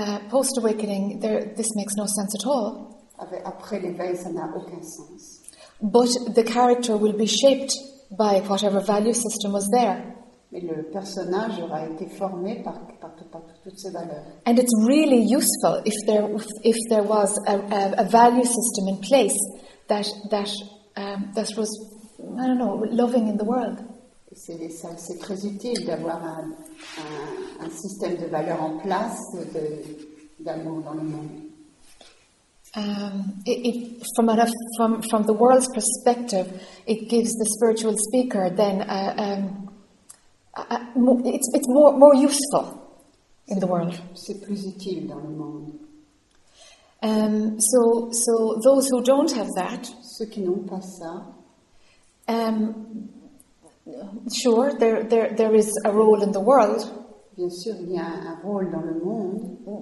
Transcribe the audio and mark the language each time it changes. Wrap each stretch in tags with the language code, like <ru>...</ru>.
<en>Post-awakening, this makes no sense at all.</en> <fr>Après l'éveil, ça n'a aucun sens.</fr> <en>But the character will be shaped by whatever value system was there.</en> <fr>Mais le personnage aura été formé par toutes ces valeurs.</fr> <en>And it's really useful if there was a value system in place that was, I don't know, loving in the world.</en> <fr>C'est très utile d'avoir un système de valeurs en place d'amour dans le monde.</fr> <en>From the world's perspective, it gives the spiritual speaker then it's more useful in the world.</en> <fr>C'est plus utile dans le monde.</fr> <en>So those who don't have that,</en> <fr>ceux qui n'ont pas ça,</fr> <en>sure, there is a role in the world.</en> <fr>Bien sûr, il y a un rôle dans le monde.</fr>